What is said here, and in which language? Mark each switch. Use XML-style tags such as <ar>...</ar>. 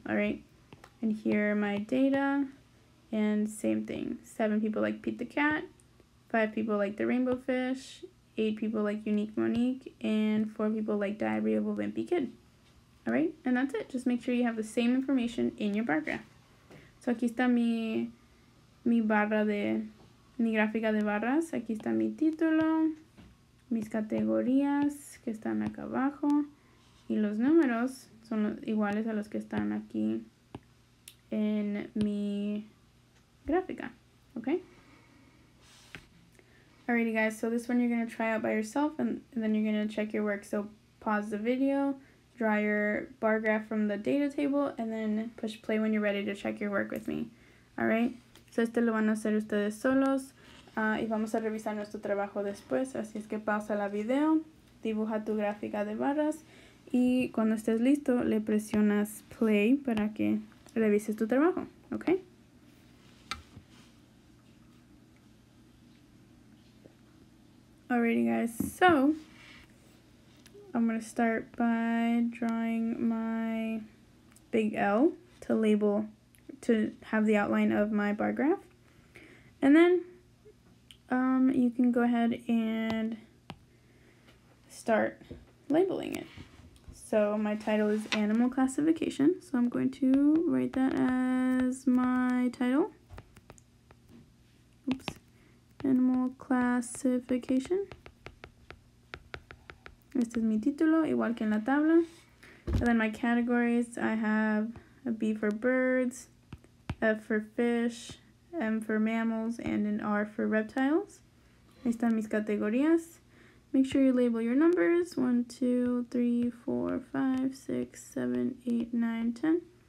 <en>Alright, and here are my data. And same thing. Seven people like Pete the Cat. Five people like the Rainbow Fish. Eight people like Unique Monique. And four people like Diary of a Wimpy Kid. Alright, and that's it. Just make sure you have the same information in your bar graph.</en> <es>So aquí está mi barra de, mi gráfica de barras. Aquí está mi título, mis categorías que están acá abajo. Y los números son iguales a los que están aquí en mi gráfica.</es> <en>Okay? Alrighty guys, so this one you're going to try out by yourself and then you're going to check your work. So pause the video. Draw your bar graph from the data table and then push play when you're ready to check your work with me. All right.</en> <es>So este lo van a hacer ustedes solos. Y vamos a revisar nuestro trabajo después. Así es que pausa la video. Dibuja tu gráfica de barras. Y cuando estés listo, le presionas play para que revises tu trabajo.</es> <en>Okay. Alrighty guys. So I'm going to start by drawing my big L to label, to have the outline of my bar graph. And then you can go ahead and start labeling it. So my title is Animal Classification. So I'm going to write that as my title. Oops. Animal Classification.</en> <es>Este es mi título, igual que en la tabla.</es> <en>And then my categories, I have a B for birds, F for fish, M for mammals, and an R for reptiles.</en> <es>Ahí están mis categorías.</es> <en>Make sure you label your numbers. 1, 2, 3, 4, 5, 6, 7, 8, 9, 10.</en>